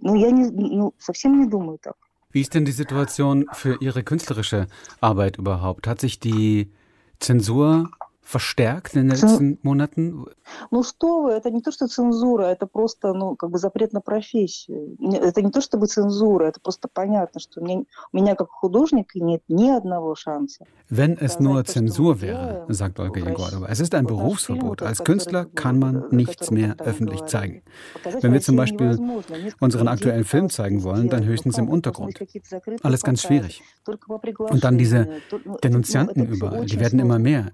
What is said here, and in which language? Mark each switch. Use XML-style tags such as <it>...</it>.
<de>Wie ist denn die Situation für Ihre künstlerische Arbeit überhaupt? Hat sich die Zensur verstärkt in den letzten Monaten?</de> <ru>Ну что вы, это не то, что цензура, это просто, ну, как бы запрет на профессию. Это не то, чтобы цензура, это просто понятно, что у меня как художника нет ни одного шанса.</ru> <de>Wenn es nur Zensur wäre, sagt Olga Егорова, es ist ein Berufsverbot. Als Künstler kann man nichts mehr öffentlich zeigen. Wenn wir zum Beispiel unseren aktuellen Film zeigen wollen, dann höchstens im Untergrund. Alles ganz schwierig. Und dann diese Denunzianten überall, die werden immer mehr.</de>